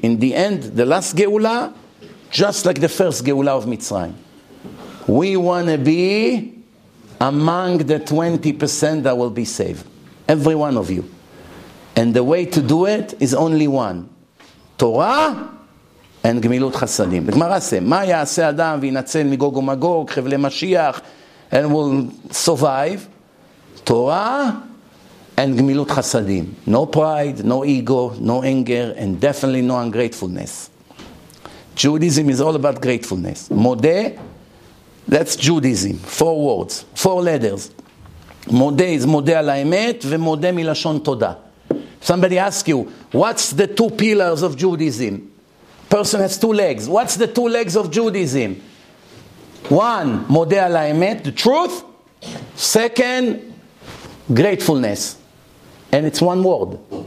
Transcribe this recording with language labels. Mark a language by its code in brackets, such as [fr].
[en] In the end, the last geula, just like the first geula of Mitzrayim. We want to be among the 20% that will be saved. Every one of you. And the way to do it is only one. Torah and Gemilut Chasadim. The Gemara says, [he] מה יעשה אדם וינצל מגוג ומגוג, חבלי משיח, [en] and will survive? Torah and Gemilut Chasadim. No pride, no ego, no anger, and definitely no ungratefulness. Judaism is all about gratefulness. Modé, that's Judaism. Four words, four letters. Modé is Modé [he] על האמת, ומודה מלשון תודה. [en] Somebody asks you, what's the two pillars of Judaism? Person has two legs. What's the two legs of Judaism? One, [he] modeh al ha'emet, [en] the truth. Second, gratefulness. And it's one word.